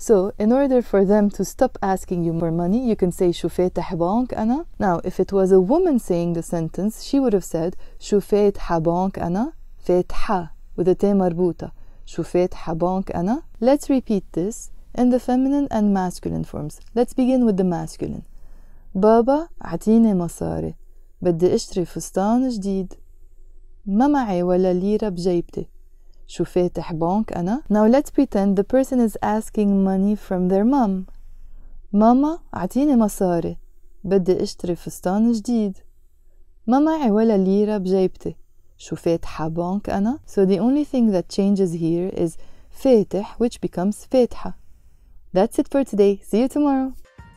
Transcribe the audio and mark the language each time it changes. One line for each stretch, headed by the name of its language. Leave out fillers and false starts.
English: So, in order for them to stop asking you for money, you can say
Arabic: شو فاتح بنك أنا?
English: Now, if it was a woman saying the sentence, she would have said
Arabic: شو فاتح بنك أنا? فاتحة
English: with a T
Arabic: مربوطة. شو فاتح بنك أنا?
English: Let's repeat this in the feminine and masculine forms. Let's begin with the masculine.
Arabic: بابا عطيني مصاري، بدي اشتري فستان جديد. ما معي ولا ليرة بجيبتي، شو فاتح بنك انا؟
English: Now let's pretend the person is asking money from their mom.
Arabic: ماما عطيني مصاري، بدي اشتري فستان جديد. ما معي ولا ليرة بجيبتي، شو فاتح بنك انا؟
English: So the only thing that changes here is فاتح, which becomes فاتحة. That's it for today. See you tomorrow.